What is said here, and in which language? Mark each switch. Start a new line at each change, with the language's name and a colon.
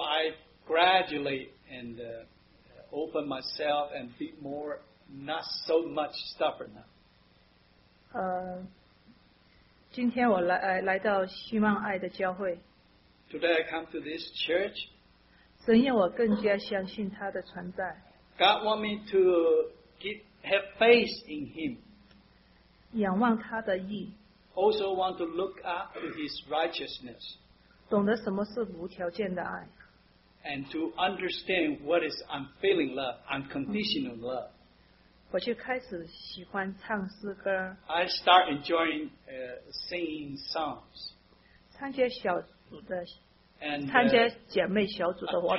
English: I gradually and open myself and be more, not so much stubborn now.
Chinese: 今天我来到希望爱的教会。
English: Today I come to this church.
Chinese: 神要我更加相信他的存在。
English: God want me to have faith in Him.
Chinese: 仰望他的义,
English: also want to look up to His righteousness,
Chinese: 懂得什么是无条件的爱,
English: and to understand what is unfailing love, unconditional love.
Chinese: 我就开始喜欢唱诗歌,
English: I start enjoying singing songs,
Chinese: 参加小组的,
English: and
Chinese: 参加姐妹小组的活动,